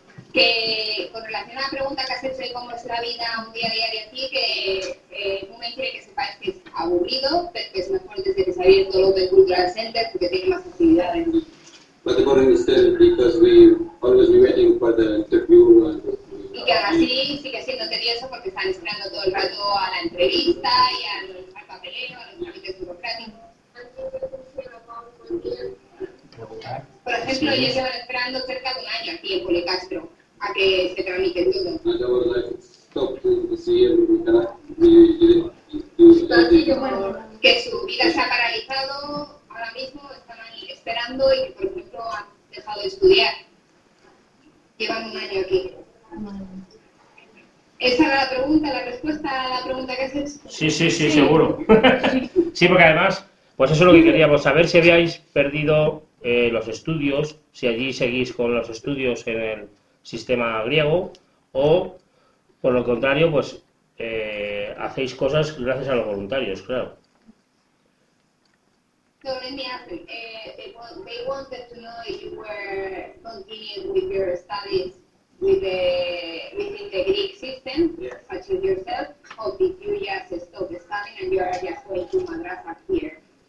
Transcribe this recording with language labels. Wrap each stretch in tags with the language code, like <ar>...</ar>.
<es>Que con relación a la pregunta que has hecho de cómo es la vida un día a día de aquí, que uno quiere que sepáis que es aburrido, pero que es mejor desde que se ha abierto el Open Cultural Center porque tiene más actividad en.</es> <en>But the problem is still because we always be waiting for the interview. And,</en> <es>y que así sigue siendo tedioso porque están esperando todo el rato a la entrevista y al papeleo, a los trámites burocráticos. Por ejemplo, ellos llevan esperando cerca de un año aquí en Policastro a que se tramite todo.</es> <en>And I was like stopped to see and we didn't do anything.</en> <es>Que su vida se ha paralizado ahora mismo. Esperando y que, por ejemplo, han dejado de estudiar. Llevan un año aquí. ¿Esa era la pregunta, la respuesta a la pregunta que haces? Sí, sí, sí, sí. Seguro. Sí. Sí, porque además, pues eso es lo que queríamos saber, si habíais perdido los estudios, si allí seguís con los estudios en el sistema griego, o, por lo contrario, pues hacéis cosas gracias a los voluntarios, claro.</es> <en>So let me ask them, they wanted to know if you were continuing with your studies with the, within the Greek system, such as yourself, or did you just stop studying and you are just going to Madrasa here?</en>